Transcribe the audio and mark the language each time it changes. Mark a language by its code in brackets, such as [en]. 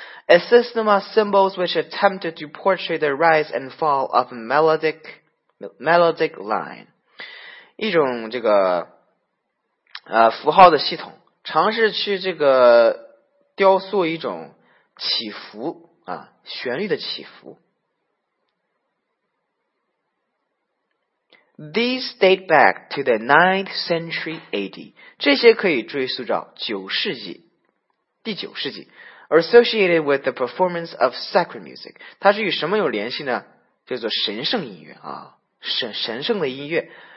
[en] A system of symbols which attempted to portray the rise and fall of a melodic line. [zh] 一种这个符号的系统，尝试去这个雕塑一种起伏啊，旋律的起伏。 [en] These date back to the 9th century AD. [zh] 这些可以追溯到第九世纪。 [en] Associated with the performance of sacred music， [zh] 它是与什么有联系呢？叫做神圣音乐啊，神圣的音乐。